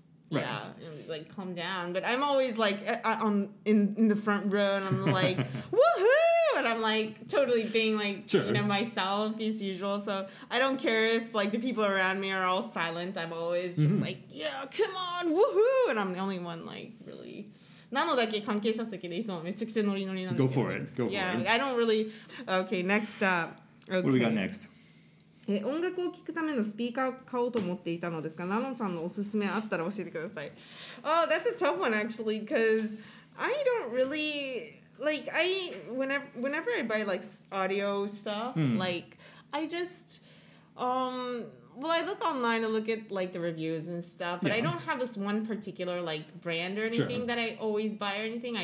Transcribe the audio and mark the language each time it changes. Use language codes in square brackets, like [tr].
[en] Yeah, like calm down. But I'm always like in the front row, and I'm like woohoo, and I'm like totally being like you know, myself as usual. So I don't care if like the people around me are all silent. I'm always just like yeah, come on, woohoo, and I'm the only one like really. [ja] なのだけ関係者席でいつもめちゃくちゃノリノリなんだけ [en] ど。Go for it. Go for it. Yeah, I don't really. Okay, next up. Okay. What do we got next? [ja] 音楽を聴くためのスピーカーを買おうと思っていたのですが、ナノンさんのおすすめあったら教えてください。 [en] Oh, that's a tough one actually, because I don't really like whenever I buy like audio stuff,、like I just well I look online and look at like the reviews and stuff, but、I don't have this one particular like brand or anything、that I always buy or anything.